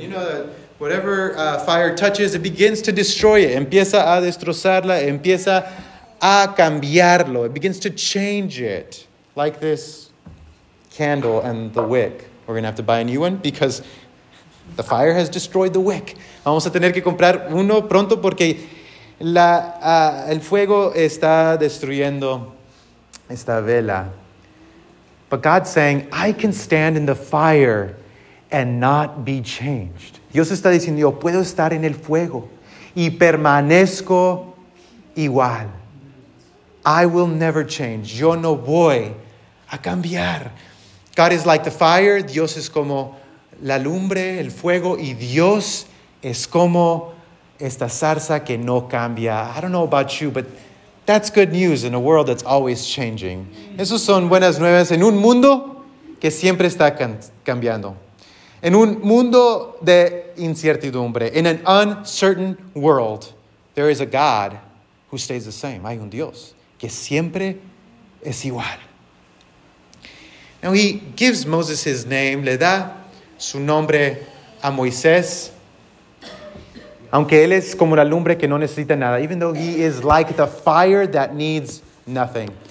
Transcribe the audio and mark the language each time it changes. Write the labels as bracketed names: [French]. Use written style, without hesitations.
[English] You know that whatever fire touches, it begins to destroy it. [Spanish] Empieza a destrozarla, empieza a cambiarlo. [English] It begins to change it. Like this candle and the wick. We're going to have to buy a new one because the fire has destroyed the wick. [Spanish] Vamos a tener que comprar uno pronto porque el fuego está destruyendo esta vela. [English] But God's saying, I can stand in the fire and not be changed. [Spanish] Dios está diciendo, yo puedo estar en el fuego y permanezco igual. [English] I will never change. [Spanish] Yo no voy a cambiar. [English] God is like the fire. [Spanish] Dios es como la lumbre, el fuego. Y Dios es como esta zarza que no cambia. [English] I don't know about you, but that's good news in a world that's always changing. [Spanish] Esos son buenas nuevas en un mundo que siempre está cambiando. En un mundo de incertidumbre. [English] In an uncertain world, there is a God who stays the same. [Spanish] Hay un Dios que siempre es igual. [English] Now he gives Moses his name, [Spanish] le da su nombre a Moisés. Aunque él es como la lumbre que no necesita nada. [English] Even though he is like the fire that needs nothing.